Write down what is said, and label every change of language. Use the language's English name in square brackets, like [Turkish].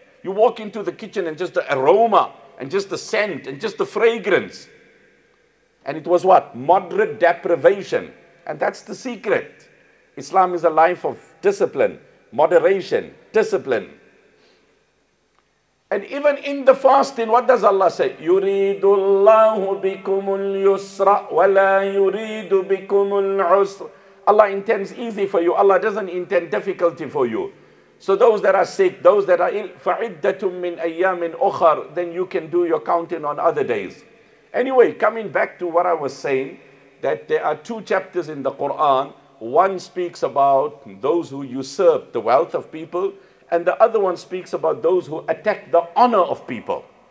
[English] You walk into the kitchen and just the aroma and just the scent and just the fragrance. And it was what? Moderate deprivation. And that's the secret. Islam is a life of discipline, moderation, discipline. And even in the fasting, what does Allah say? [Arabic] يُرِيدُ اللَّهُ بِكُمُ الْيُسْرَ وَلَا يُرِيدُ بِكُمُ الْعُسْرَ [English] Allah intends easy for you. Allah doesn't intend difficulty for you. So those that are sick, those that are ill, [Arabic] فَعِدَّةٌ مِّنْ أَيَّامٍ أُخَرٍ [English] Then you can do your counting on other days. Anyway, coming back to what I was saying, that there are 2 chapters in the Quran. One speaks about those who usurp the wealth of people, and the other one speaks about those who attack the honor of people.